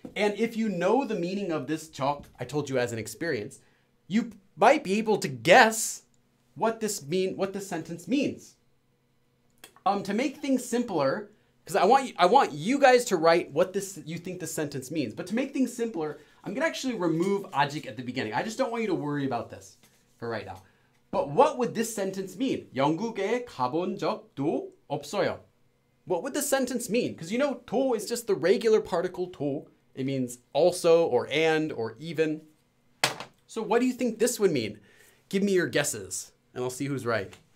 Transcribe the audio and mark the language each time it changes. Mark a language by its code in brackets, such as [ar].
[en] And if you know the meaning of this chalk, I told you as an experience, you might be able to guess what this sentence means. To make things simpler, because I want you guys to write what this you think the sentence means. But to make things simpler, I'm gonna actually remove ajik at the beginning. I just don't want you to worry about this for right now. But what would this sentence mean? [ko] 영국에 가본 적도 없어요. [en] What would the sentence mean? Because you know, 도 is just the regular particle 도. It means also or and or even. So what do you think this would mean? Give me your guesses and I'll see who's right.